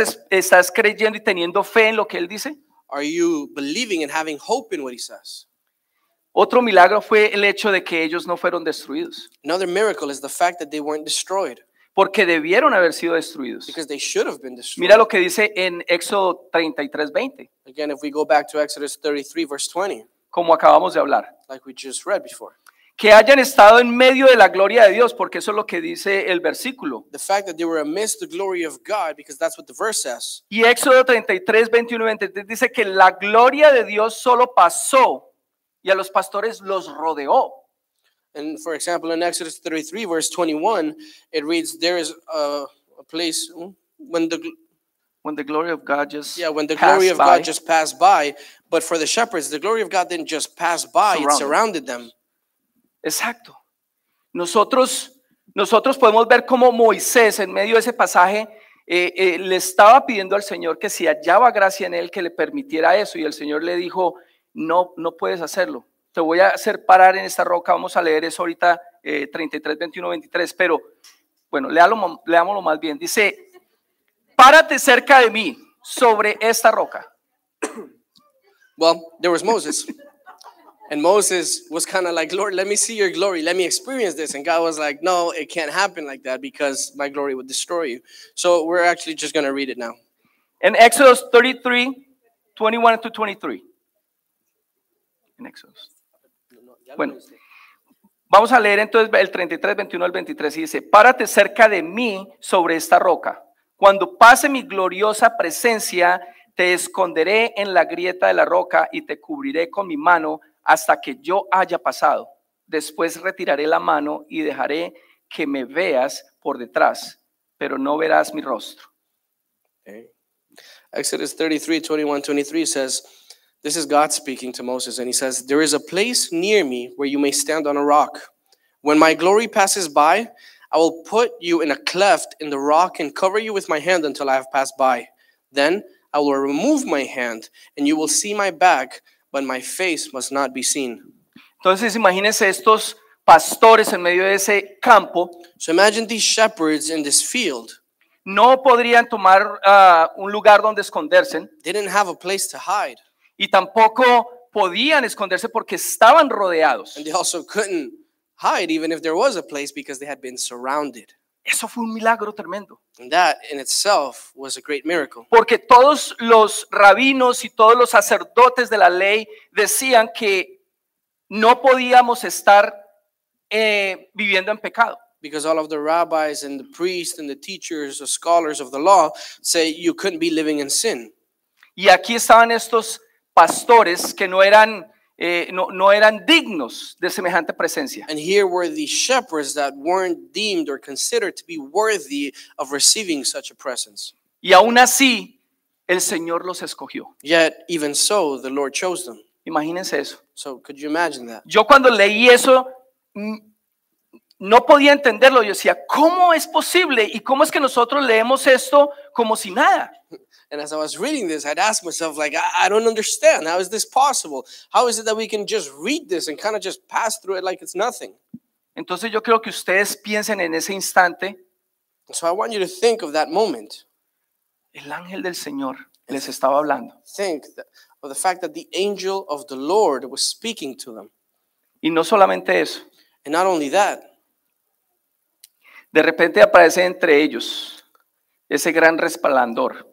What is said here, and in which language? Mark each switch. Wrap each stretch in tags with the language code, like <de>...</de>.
<es>¿Estás creyendo y teniendo fe en lo que Él dice?</es> <en>Are you believing and having hope in what He says?</en> <es>Otro milagro fue el hecho de que ellos no fueron destruidos.</es> <en>Another miracle is the fact that they weren't destroyed.</en> <es>Porque debieron haber sido destruidos.</es> <en>Because they should have been destroyed.</en> <es>Mira lo que dice en Éxodo 33:20.</es> <en>Again, if we go back to Exodus 33, verse 20.</en> <es>Como acabamos de hablar.</es> <en>Like we just read before.</en> <es>Que hayan estado en medio de la gloria de Dios, porque eso es lo que dice el versículo.</es> <en>The fact that they were amidst the glory of God, because that's what the verse says.</en> <es>Y Éxodo 33:21-23 dice que la gloria de Dios solo pasó y a los pastores los rodeó.</es> <en>And for example, in Exodus 33, verse 21, it reads, there is a place when the glory of God just passed by. But for the shepherds, the glory of God didn't just pass by, it surrounded them.</en> <es>Exacto. Nosotros podemos ver cómo Moisés, en medio de ese pasaje, le estaba pidiendo al Señor que si hallaba gracia en él, que le permitiera eso. Y el Señor le dijo, no puedes hacerlo. Te voy a hacer parar en esta roca. Vamos a leer eso ahorita, 33, 21, 23. Pero Bueno, leámoslo más bien. Dice, párate cerca de mí sobre esta roca.</es> <en>Well, there was Moses. And Moses was kind of like, Lord, let me see your glory. Let me experience this. And God was like, no, it can't happen like that because my glory would destroy you. So we're actually just going to read it now. In Exodus 33:21-23. In Exodus.</en> <es>Bueno, vamos a leer entonces el 33:21-23 y dice, párate cerca de mí sobre esta roca. Cuando pase mi gloriosa presencia, te esconderé en la grieta de la roca y te cubriré con mi mano hasta que yo haya pasado. Después retiraré la mano y dejaré que me veas por detrás, pero no verás mi rostro.</es> <en>Okay. Exodus 33:21-23 says, this is God speaking to Moses, and he says, there is a place near me where you may stand on a rock. When my glory passes by, I will put you in a cleft in the rock and cover you with my hand until I have passed by. Then I will remove my hand, and you will see my back, but my face must not be seen.</en> <es>Entonces, imagínense estos pastores en medio de ese campo.</es> <en>So imagine these shepherds in this field.</en> <es>No podrían tomar un lugar donde esconderse.</es> <en>They didn't have a place to hide.</en> <es>Y tampoco podían esconderse porque estaban rodeados.</es> <en>And they also couldn't hide even if there was a place because they had been surrounded.</en> <es>Eso fue un milagro tremendo.</es> <en>And that in itself was a great miracle.</en> <es>Porque todos los rabinos y todos los sacerdotes de la ley decían que no podíamos estar viviendo en pecado.</es> <en>Because all of the rabbis and the priests and the teachers, the scholars of the law say you couldn't be living in sin.</en> <es>Y aquí estaban estos pastores que no eran dignos de semejante presencia.</es> <en>And here were the shepherds that weren't deemed or considered to be worthy of receiving such a presence.</en> <es>Y aún así, el Señor los escogió.</es> <en>Yet even so, the Lord chose them.</en> <es>Imagínense eso.</es> <en>So could you imagine that?</en> <es>Yo cuando leí eso, no podía entenderlo. Yo decía, ¿cómo es posible? ¿Y cómo es que nosotros leemos esto como si nada?</es> <en>And as I was reading this, I'd ask myself, like, I don't understand. How is this possible? How is it that we can just read this and kind of just pass through it like it's nothing?</en> <es>Entonces yo creo que ustedes piensen en ese instante.</es> <en>So I want you to think of that moment.</en> <es>El ángel del Señor les estaba hablando.</es> <en>Think of the fact that the angel of the Lord was speaking to them.</en> <es>Y no solamente eso.</es> <en>And not only that.</en> <es>De repente aparece entre ellos ese gran resplandor.</es>